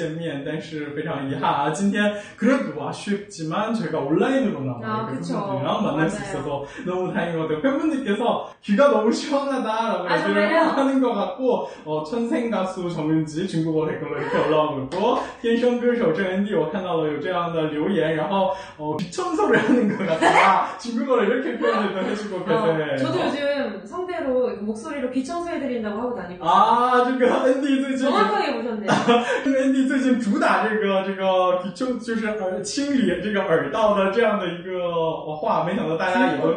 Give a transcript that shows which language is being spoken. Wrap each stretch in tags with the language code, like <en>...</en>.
<zh>我跟恩迪说，我说这个我昨天晚上一直在刷他的这个单曲循环，但是呢，我觉得现场听到的这个感觉真的是果然不一样，而且这个恩迪也说真是迫不及待的想要和大家这个通过线下的演出来见面，但是非常遗憾啊，今天</zh> <ko>그래도 아쉽지만 저희가 온라인으로 나와서 너무 다행인 것 같아요. 팬분들께서 귀가 너무 시원하다라고 얘기를 하는 것 같고 천생 가수 정윤지 중국어 댓글로 이렇게 올라오고 있고</ko> <zh>天生歌手郑恩迪我看到了有这样的留言然后</zh> <ko>귀청소를 하는 것 같다 중국어를 이렇게 표현을 해주고 계세요. 저도 요즘 성대로 목소리로 귀청소 해드린다고 하고 다니고 있어요. 아 저거 앤디</ko> <zh>最近</zh> <ko>정확하게 보셨네요. 앤디</ko> <zh>最近</zh> <ko>주다</ko> <zh>这个</zh> <ko>귀청</ko> <zh>就是清理这个耳道的这样的一个话没想到大家也都</zh>